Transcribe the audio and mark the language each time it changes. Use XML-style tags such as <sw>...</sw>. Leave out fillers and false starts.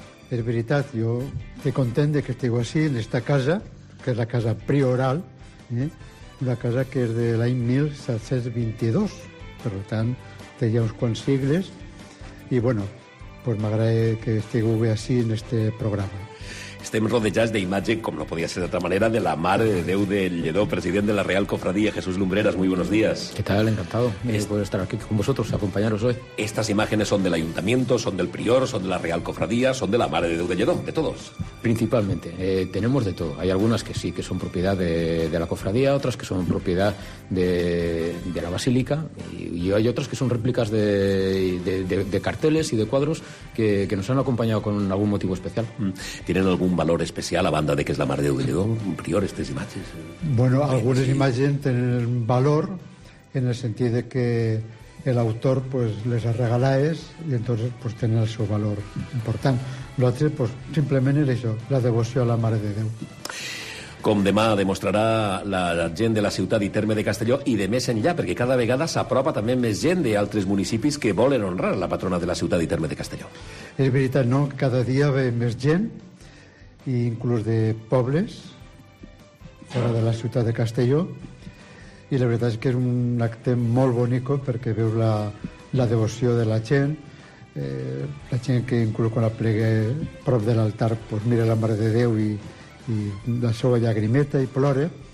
<ca>És veritat, jo estic content que estigueu així en esta casa, que és la casa prioral, la casa que és de l'any 1722. Per tant, té ja uns quants segles. I, bueno, pues m'agrada que estigueu així en este programa. Estem rodejats d'imatge, com no podia ser d'altra manera, de la Mare de Déu de Lledó, president de la Real Cofradía, Jesús Lumbreras.</ca> <es>Muy buenos días. ¿Qué tal? Encantado de poder estar aquí con vosotros, acompañaros hoy. Estas imágenes son del Ayuntamiento, son del Prior, son de la Real Cofradía, son de la Mare de Déu de Lledó, de todos. Principalmente. Tenemos de todo. Hay algunas que sí, que son propiedad de la Cofradía, otras que son propiedad de la Basílica, y hay otras que son réplicas de carteles y de cuadros que nos han acompañado con algún motivo especial. ¿Tienen algún valor especial,</es> <ca>a banda de</ca> <es>que es la Mare de Déu de Lledó, prior, estas imágenes? Bueno, algunas imágenes tienen valor en el sentido de que el autor pues</es> <ca>les ha regalades</ca> <es>y entonces pues tienen su valor importante. Lo otro, pues simplemente es eso, la devoción a la Mare de Déu.</es> <ca>Com demà demostrarà la gent de la ciutat i terme de Castelló i de més enllà, perquè cada vegada s'apropa també més gent d'altres municipis que volen honrar la patrona de la ciutat i terme de Castelló. És veritat, no? Cada dia ve més gent, i inclús de pobles fora de la ciutat de Castelló, i la veritat és que és un acte molt bonic perquè veu la devoció de la gent que inclús quan la plegue prop de l'altar pues mira la Mare de Déu i la seva llagrimeta i plore.</ca>